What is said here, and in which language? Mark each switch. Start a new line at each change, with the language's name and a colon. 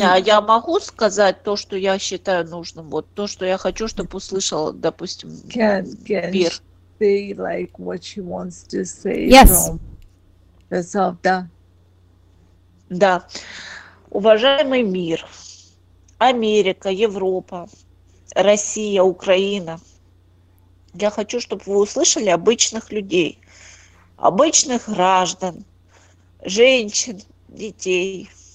Russian: Аня, я могу сказать то, что я считаю нужным? Вот то, что я хочу, чтобы услышал, допустим,
English: can Бир. She say, like, what she wants to say? Yes. From herself,
Russian: да? Да. Уважаемый мир, Америка, Европа, Россия, Украина. Я хочу, чтобы вы услышали обычных людей, обычных граждан, женщин, детей.